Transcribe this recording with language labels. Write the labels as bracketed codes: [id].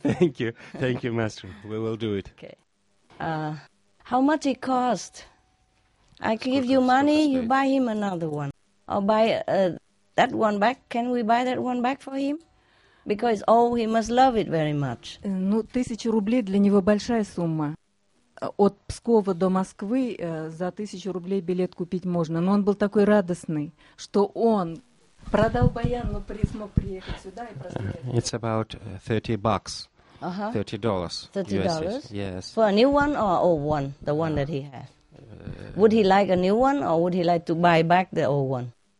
[en] Thank you. Thank you, Master. We will do it. Okay. How much it cost? I give you money, you buy him another one. I'll buy that one back. Can we buy that one back for him? Because, oh, he must love it very much. [ru] Ну, 1000 рублей для него большая сумма. От Пскова до Москвы за 1000 рублей билет купить можно. Но он был такой радостный, что он продал баян, но смог приехать сюда и просто... [en] It's about $30. $30. $30? Yes. For a new one or old one, the one that he has? Would he like a new one or would he like to buy back the old one?